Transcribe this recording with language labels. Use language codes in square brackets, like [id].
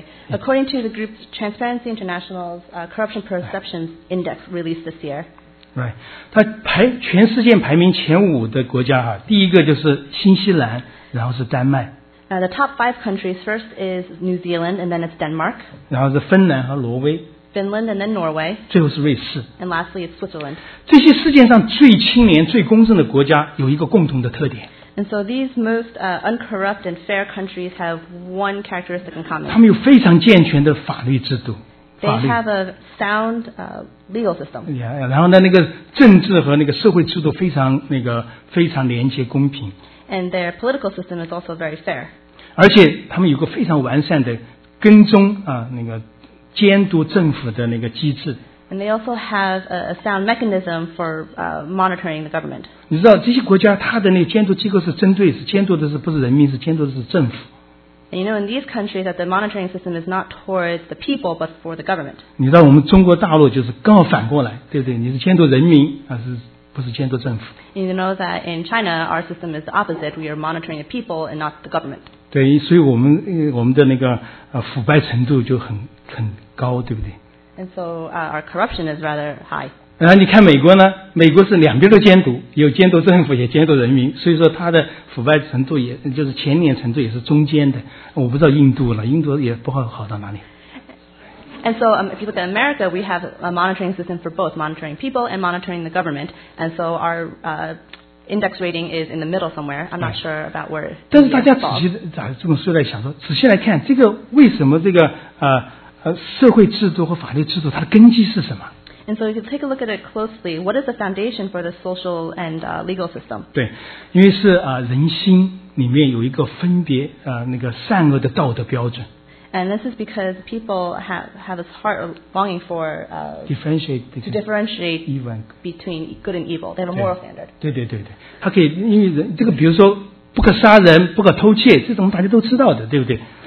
[en] According to the group Transparency International's Corruption Perceptions Index released this year. Right. [zh] 它排全世界排名前五的国家啊，第一个就是新西兰，然后是丹麦。 [en] The top five countries first is New Zealand, and then it's Denmark. [zh] 然后是芬兰和挪威。 [en] Finland and then Norway. [zh] 最后是瑞士。 [en] And lastly, it's Switzerland. [zh] 这些世界上最清廉、最公正的国家有一个共同的特点。 [en] And so these most uncorrupt and fair countries have one characteristic in common. [zh] 他们有非常健全的法律制度。 [en] They have a sound legal system. [zh] Yeah, 然后呢，那个政治和那个社会制度非常那个非常廉洁公平。 [en] And their political system is also very fair. [zh] 而且他们有个非常完善的跟踪那个监督政府的那个机制。 [en] And they also have a sound mechanism for monitoring the government. [zh] 你知道这些国家它的那个监督机构是针对是监督的是不是人民是监督的是政府。 [en] And you know in these countries that the monitoring system is not towards the people but for the government. [zh] 你知道我们中国大陆就是刚好反过来，对不对？你是监督人民还是不是监督政府？ [en] You know that in China our system is the opposite. We are monitoring the people and not the government. [zh] 对，所以我们的那个腐败程度就很高，对不对？ [en] And so our corruption is rather high. [zh] 然后你看美国呢？美国是两边都监督，有监督政府，也监督人民，所以说它的腐败程度也就是前年程度也是中间的。我不知道印度了，印度也不好好到哪里。 [en] And so if you look at America, we have a monitoring system for both monitoring people and monitoring the government. And so our index rating is in the middle somewhere. I'm not sure about where. [zh] 但是大家仔细咋这么说来想说，仔细来看这个为什么这个社会制度和法律制度它的根基是什么？ [en] And so if you take a look at it closely, what is the foundation for the social and legal system? [zh] 对，因为是人心里面有一个分别那个善恶的道德标准。 [en] And this is because people have this heart longing for to differentiate even between good and evil. They have a moral standard. [zh] 对对对对，他可以因为人这个比如说。不可杀人，不可偷窃，这种大家都知道的，对不对？